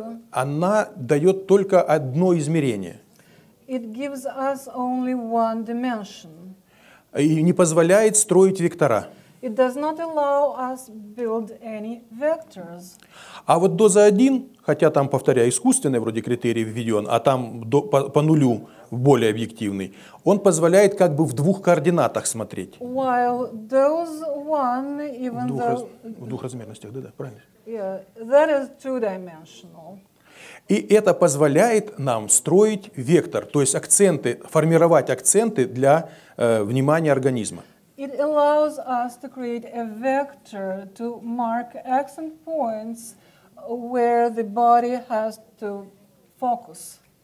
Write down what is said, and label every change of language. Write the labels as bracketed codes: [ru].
[ru] она дает только одно измерение. [en] It gives us only one dimension. [ru] И не позволяет строить вектора. [en] It does not allow us build any vectors. [ru] А вот доза 1, хотя там, повторяю, искусственный вроде критерий введен, а там по нулю более объективный, он позволяет как бы в двух координатах смотреть. [en] While dose one, even [ru] в двух размерностях, да, правильно? [en] Yeah, that is two-dimensional. [ru] И это позволяет нам строить вектор, то есть акценты, формировать акценты для внимания организма. [en] It allows us to create a vector to mark accent points where the body has to focus.